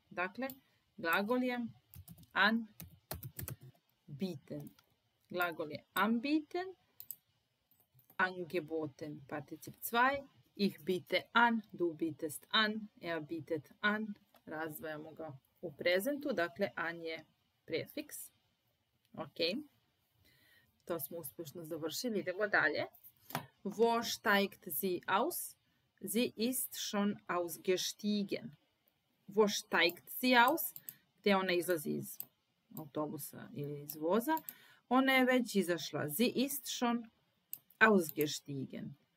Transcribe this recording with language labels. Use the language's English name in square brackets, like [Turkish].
[Bosnian] Dakle, glagol je anbieten. Glagol je anbieten, angeboten, particip 2. [German] Ich biete an, du bietest an, er bietet an. [Bosnian] Razdvajamo ga u prezentu, dakle, an je prefiks. Ok, to smo uspješno završili, idemo dalje. [German] Wo steigt sie aus? Sie ist schon ausgestiegen. Wo steigt sie aus? [Bosnian] Gdje ona izlazi iz autobusa ili iz voza? Ona je već izašla. [German] Sie ist schon ausgestiegen.